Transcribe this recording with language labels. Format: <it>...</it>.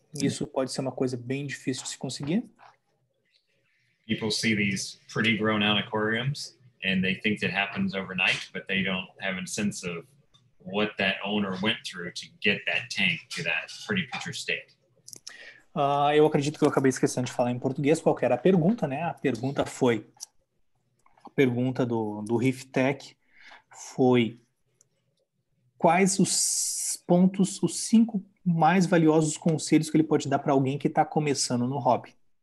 <pt>Isso pode ser uma coisa bem difícil de se conseguir.</pt> <en>People see these pretty grown out aquariums and they think it happens overnight, but they don't have a sense of what that owner went through to get that tank to that pretty picture state.</en> <pt>Eu acredito que eu acabei esquecendo de falar em português qual que era a pergunta, né? A pergunta foi pergunta do Reef Tech foi: quais os pontos, os cinco mais valiosos conselhos que ele pode dar para alguém que está começando no hobby?</pt>